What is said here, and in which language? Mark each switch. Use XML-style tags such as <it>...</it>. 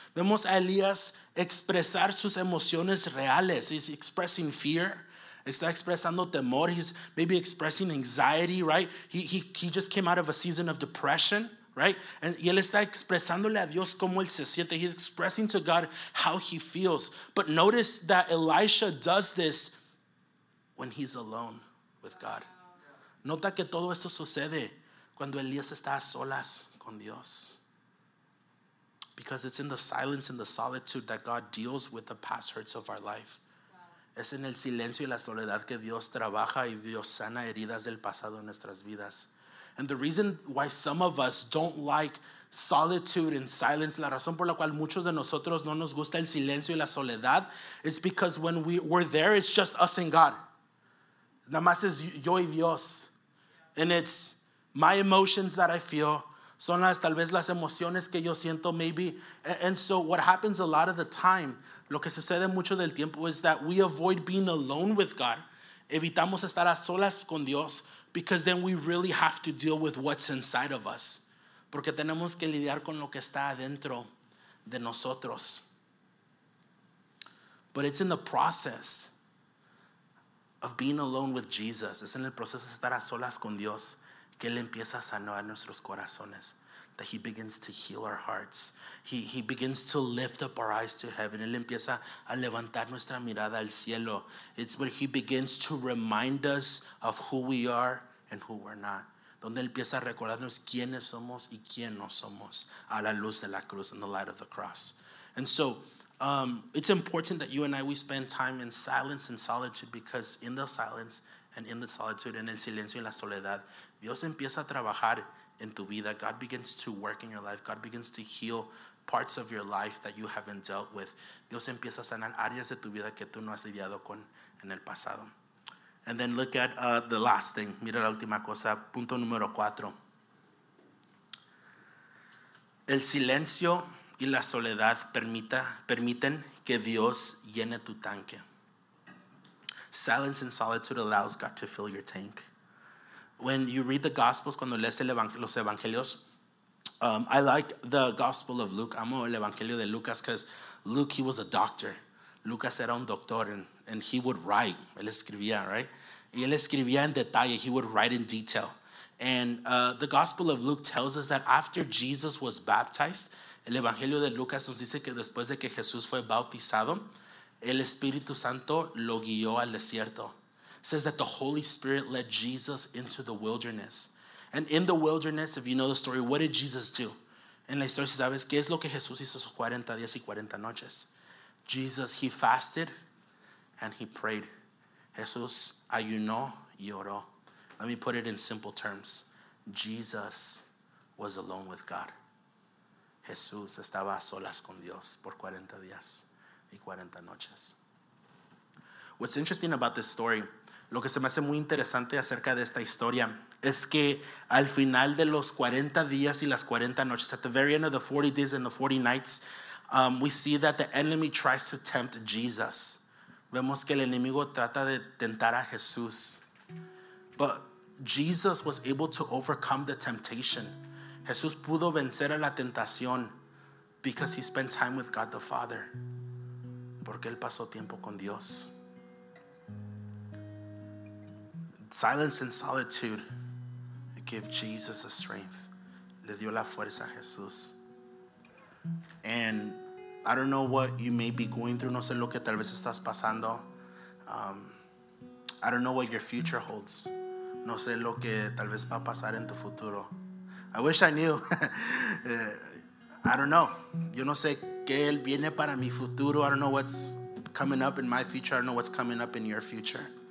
<es>Vemos a Elías expresar sus emociones reales.</es> <en>He's expressing fear.</en> <es>Está expresando temor.</es> <en>He's maybe expressing anxiety, right? He just came out of a season of depression, right?</en> <es>Y él está expresándole a Dios cómo él se siente.</es> <en>He's expressing to God how he feels. But notice that Elisha does this when he's alone with God.</en> <es>Nota que todo esto sucede cuando Elías está a solas con Dios.</es> <en>Because it's in the silence and the solitude that God deals with the past hurts of our life.</en> <es>Es en el silencio y la soledad que Dios trabaja y Dios sana heridas del pasado en nuestras vidas.</es> <en>And the reason why some of us don't like solitude and silence,</en> <es>la razón por la cual muchos de nosotros no nos gusta el silencio y la soledad,</es> <en>is because when we're there, it's just us and God.</en> <es>Nada más es yo y Dios.</es> <en>And it's my emotions that I feel.</en> <es>Son las, tal vez las emociones que yo siento,</es> <en>maybe. And so what happens a lot of the time,</en> <es>lo que sucede mucho del tiempo</es> <en>is that we avoid being alone with God.</en> <es>Evitamos estar a solas con Dios,</es> <en>because then we really have to deal with what's inside of us.</en> <es>Porque tenemos que lidiar con lo que está adentro de nosotros.</es> <en>But it's in the process of being alone with Jesus.</en> <es>Es en el proceso de estar a solas con Dios que Él empieza a sanar nuestros corazones.</es> <en>That He begins to heal our hearts. He begins to lift up our eyes to heaven.</en> <es>Él empieza a levantar nuestra mirada al cielo.</es> <en>It's where He begins to remind us of who we are and who we're not.</en> <es>Donde Él empieza a recordarnos quiénes somos y quién no somos a la luz de la cruz,</es> <en>in the light of the cross. And so, it's important that you and I, we spend time in silence and solitude, because in the silence and in the solitude,</en> <es>en el silencio y la soledad, Dios empieza a trabajar en tu vida.</es> <en>God begins to work in your life. God begins to heal parts of your life that you haven't dealt with.</en> <es>Dios empieza a sanar áreas de tu vida que tú no has lidiado con en el pasado.</es> <en>And then look at the last thing.</en> <es>Mira la última cosa. Punto número cuatro. El silencio y la soledad permiten que Dios llene tu tanque.</es> <en>Silence and solitude allows God to fill your tank. When you read the Gospels,</en> <es>cuando lees los Evangelios,</es> <en>I like the Gospel of Luke.</en> <es>Amo el Evangelio de Lucas,</es> <en>because Luke, he was a doctor.</en> <es>Lucas era un doctor,</es> <en>and he would write.</en> <es>Él escribía,</es> <en>right?</en> <es>Y él escribía en detalle.</es> <en>He would write in detail. And the Gospel of Luke tells us that after Jesus was baptized,</en> <es>el Evangelio de Lucas nos dice que después de que Jesús fue bautizado, el Espíritu Santo lo guió al desierto.</es> <en>Says that the Holy Spirit led Jesus into the wilderness. And in the wilderness, if you know the story, what did Jesus do?</en> <es>En la historia, ¿sabes qué es lo que Jesús hizo esos 40 días y 40 noches?</es> <en>Jesus, he fasted and he prayed.</en> <es>Jesús ayunó y oró.</es> <en>Let me put it in simple terms. Jesus was alone with God.</en> <es>Jesús estaba a solas con Dios por 40 días y 40 noches.</es> <en>What's interesting about this story,</en> <es>lo que se me hace muy interesante acerca de esta historia, es que al final de los 40 días y las 40 noches,</es> <en>at the very end of the 40 days and the 40 nights, we see that the enemy tries to tempt Jesus.</en> <es>Vemos que el enemigo trata de tentar a Jesús.</es> <en>But Jesus was able to overcome the temptation.</en> <es>Jesús pudo vencer a la tentación</es> <en>because he spent time with God the Father.</en> <es>Porque él pasó tiempo con Dios.</es> <en>Silence and solitude give Jesus the strength.</en> <es>Le dio la fuerza a Jesús.</es> <en>And I don't know what you may be going through.</en> <es>No sé lo que tal vez estás pasando.</es> <en>I don't know what your future holds.</en> <es>No sé lo que tal vez va a pasar en tu futuro.</es> <en>I wish I knew. I don't know.</en> <es>Yo no sé qué viene para mi futuro.</es> <en>I don't know what's coming up in my future. I don't know what's coming up in your future.</en>